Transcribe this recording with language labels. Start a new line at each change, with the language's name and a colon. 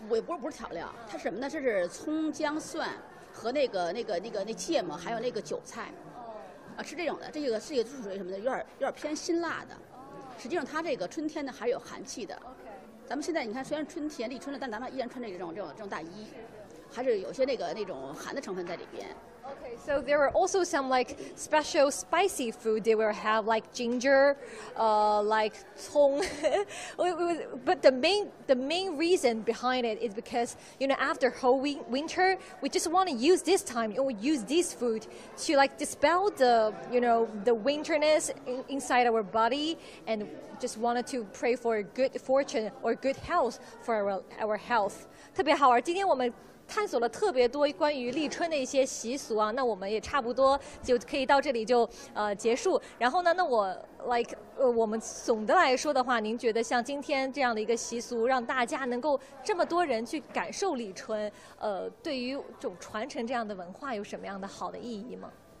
Chinese: 我也不是调料，它是什么呢？这是葱姜蒜和那芥末，还有那个韭菜，啊，吃这种的。这个是属于什么的？有点偏辛辣的。实际上它这个春天呢还有寒气的、
English: okay.
Chinese: 咱们现在你看虽然春天立春了，但咱们依然穿着这种大衣，还是有些那种寒的成分在里边。
English: Okay, so there are also some like special spicy food they will have like ginger, like 葱 but the main reason behind it is because, you know, after whole winter, we just want to use this time, or use this food to like dispel the, you know, the winterness inside our body, and just wanted to pray for good fortune or good health for our health.
Chinese: 特别好玩，今天我们探索了特别多关于立春的一些习俗啊，那我们也差不多就可以到这里就结束。然后呢，那我 like 我们总的来说的话，您觉得像今天这样的一个习俗，让大家能够这么多人去感受立春，对于这种传承这样的文化有什么样的好的意义吗？